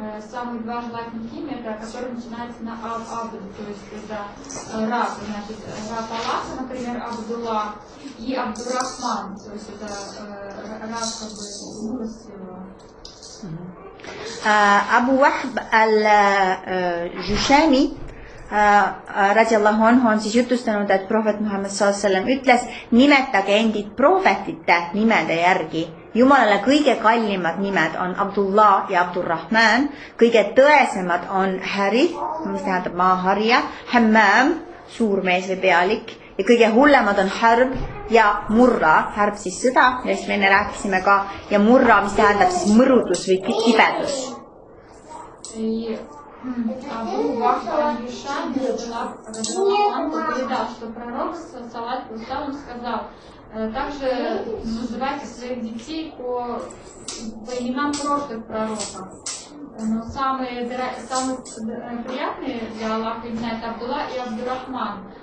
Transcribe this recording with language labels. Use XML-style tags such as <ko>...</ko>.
<ru>Самые два желательных имени, которые начинаются на Абду, то есть это Раб, значит, Раб Аллаха, например, Абдулла и Абдурахман, то есть это Раб, как бы, умысливо.</ru> <et>Абу Вахб аль-Жушами Radiallahu anhu on siis jutustanud, et prohvet Muhammad sallam ütles, nimetage endid prohvetite nimede järgi. Jumalale kõige kallimad nimed on Abdullah ja Abdurrahman, kõige tõesemad on Häri, mis tähendab Maaharja, Hammam, suur mees või pealik, ja kõige hullemad on Harb ja Murra, Harb siis sõda, millest me enne rääkisime ka, ja Murra, mis tähendab siis mõrudus või kibedus.</et> <ru>Абу Вахб аль-Жушами передал, что пророк саллаллаху алейхи ва саллям сказал, также называйте своих детей по именам прошлых пророков. Но самые приятные для Аллаха имена это Абдулла и Абдурахман.</ru>